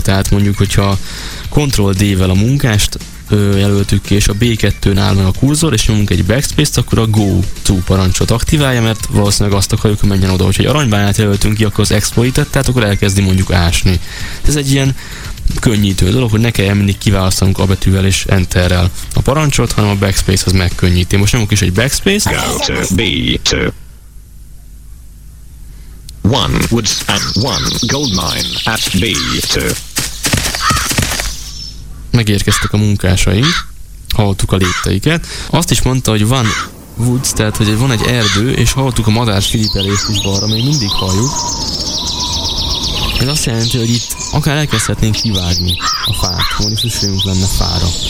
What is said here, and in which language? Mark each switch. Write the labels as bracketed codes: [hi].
[hu] Tehát mondjuk, hogyha Ctrl D-vel a munkást jelöltük ki, és a B2-n áll meg a kurzor, és nyomunk egy backspace-t, akkor a go to parancsot aktiválja, mert valószínűleg azt akarjuk, hogy menjen oda. Hogyha aranybányát jelöltünk ki, akkor az exploitet, tehát akkor elkezdi mondjuk ásni. Ez egy ilyen könnyítő dolog, hogy ne kelljen mindig kiválasztanunk A betűvel és enterrel a parancsot, hanem a backspace az megkönnyíti. Most nyomunk is egy backspace. [en] Go to B2. One woods and one gold mine at B2. [hu] Megérkeztek a munkásai, hallottuk a lépteiket. Azt is mondta, hogy van woods, tehát hogy van egy erdő, és hallottuk a madár csilipelést is balra, még mindig halljuk. Ez azt jelenti, hogy itt akár elkezdhetnénk kivágni a fát, mondjuk szükségünk lenne fára.